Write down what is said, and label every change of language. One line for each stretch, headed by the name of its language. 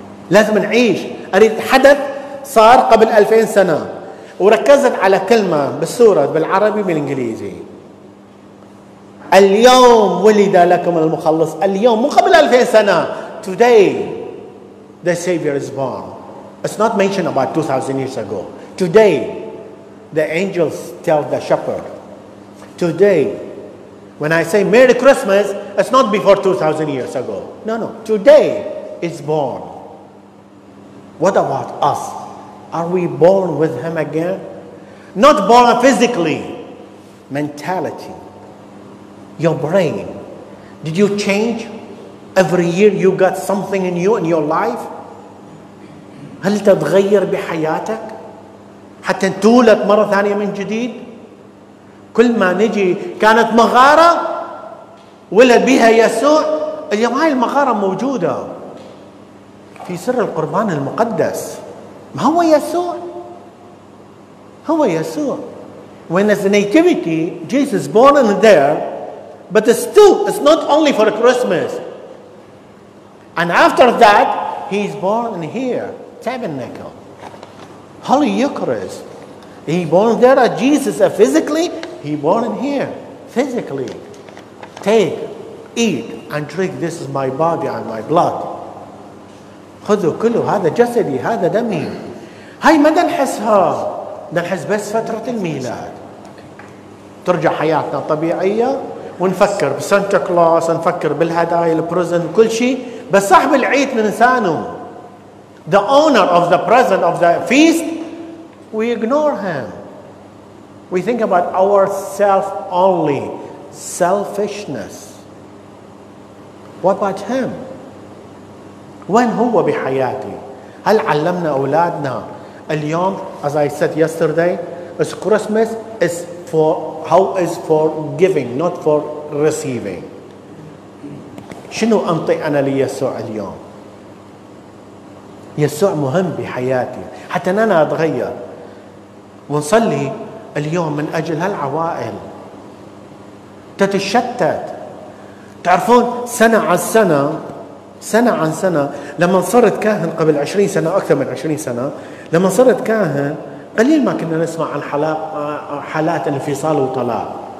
Arabic: لازم نعيش. أريد حدث صار قبل 2000 سنة وركزت على كلمة بالسورة بالعربي بالإنجليزي. اليوم ولد لكم المخلص، اليوم مو قبل 2000 سنة.
English: Today the Savior is born. It's not mentioned about 2,000 years ago. Today, the angels tell the shepherd. Today, when I say Merry Christmas, it's not before 2,000 years ago. No, no. Today is born. What about us? Are we born with him again? Not born physically. Mentality. Your brain. Did you change? Every year you got something in you, in your life?
Arabic: هل تتغير بحياتك حتى تولد مرة ثانية من جديد؟ كل ما نجي كانت مغارة ولد بها يسوع، اليوم هاي المغارة موجودة في سر القربان المقدس. ما هو يسوع؟ هو يسوع.
English: When it's a nativity, Jesus born in there, but still it's not only for Christmas. And after that, he's born in here. Tabernacle, Holy Eucharist. He born there at Jesus physically. He born in here physically. Take, eat, and drink. This is my body and my blood.
Arabic: خذوا كله هذا جسدي هذا دمي. هاي ما نحسها. نحس بس فترة الميلاد. ترجع حياتنا طبيعية ونفكر بسانتا كلاس ونفكر بالهدايا البرزن كل شيء. بس صاحب العيد من إنسانه.
English: The owner of the present of the feast, we ignore him. We think about ourselves only, selfishness. What about him? When
Arabic: هو بحياتي؟ هل علمنا أولادنا اليوم؟
English: As I said yesterday, it's Christmas is for how is for giving, not for receiving.
Arabic: شنو أنطي أنا ليسوع اليوم؟ يسوع مهم بحياتي حتى أنا أتغير. ونصلي اليوم من أجل هالعوائل تتشتت. تعرفون سنة عن سنة سنة عن سنة لما صرت كاهن قبل 20 سنة، أكثر من 20 سنة لما صرت كاهن، قليل ما كنا نسمع عن حالات الانفصال والطلاق.